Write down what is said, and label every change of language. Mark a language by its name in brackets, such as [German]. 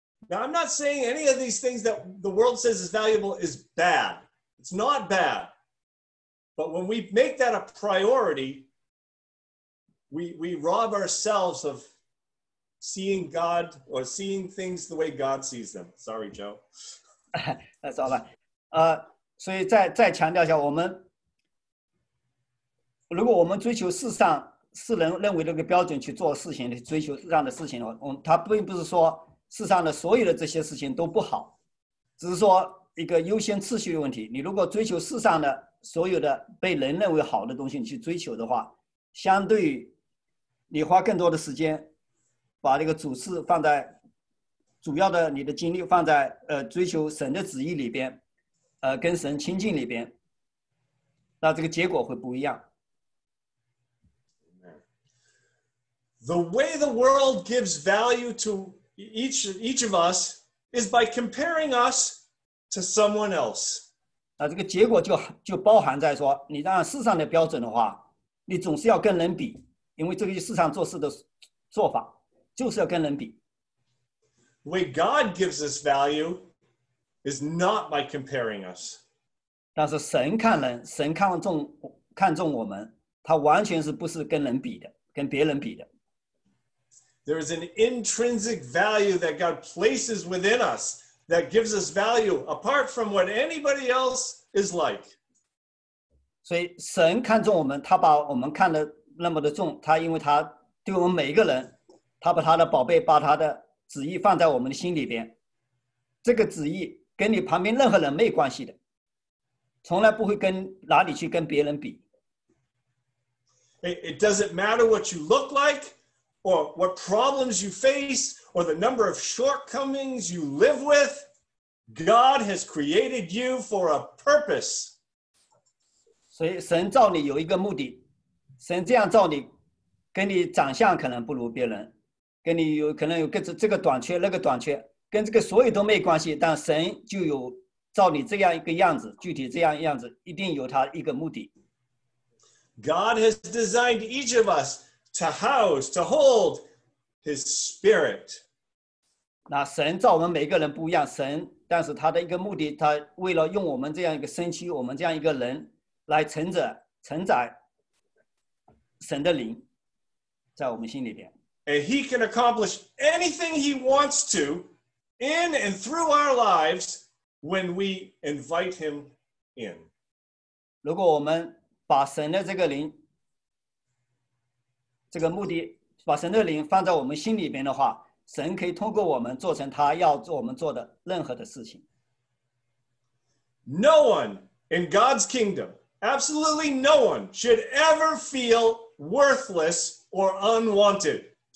[English] Now, I'm not saying any of these things that the world says is valuable is bad. It's not bad. But when we make that a priority, we rob ourselves of seeing God or seeing things the way God sees them. Sorry, Joe. That's all right. [Chinese] 所以再强调一下，我们如果我们追求世上世人认为的一个标准去做事情，追求世上的事情，它并不是说世上的所有的这些事情都不好，只是说一个优先次序的问题。你如果追求世上的所有的被人认为好的东西去追求的话，相对于你花更多的时间把这个主事放在主要的你的精力放在追求神的旨意里边。跟神亲近里边，那这个结果会不一样。 [English] The way the world gives value to each of us is by comparing us to someone else. [Chinese] 那这个结果就包含在说，你按世上的标准的话，你总是要跟人比，因为这个世上做事的做法就是要跟人比。 [English] The way God gives us value. Is not by comparing us. [Chinese] 但是神看人，神看重我们，他完全是不是跟人比的，跟别人比的。 [English] There is an intrinsic value that God places within us that gives us value apart from what anybody else is like. [Chinese] 所以神看重我们，他把我们看得那么的重，他因为他对我们每一个人，他把他的宝贝，把他的旨意放在我们的心里边，这个旨意。跟你旁边任何人没关系的，从来不会跟哪里去跟别人比。 [English] It doesn't matter what you look like, or what problems you face, or the number of shortcomings you live with. God has created you for a purpose. [Chinese] 所以神造你有一个目的，神这样造你，跟你长相可能不如别人，跟你有可能有个这个短缺那个短缺。跟这个所有都没关系，但神就有照你这样一个样子，具体这样样子，一定有他一个目的。 [English] God has designed each of us to house, to hold his spirit. [Chinese] 那神造我们每个人不一样，神，但是他的一个目的，他为了用我们这样一个身躯，我们这样一个人来承载神的灵在我们心里边。 [English] And he can accomplish anything he wants to in and through our lives when we invite him in. [Chinese] 如果我们把神的这个灵，这个目的，把神的灵放在我们心里边的话，神可以通过我们做成他要做我们做的任何的事情。 [English] No one in God's kingdom, absolutely no one, should ever feel worthless or unwanted.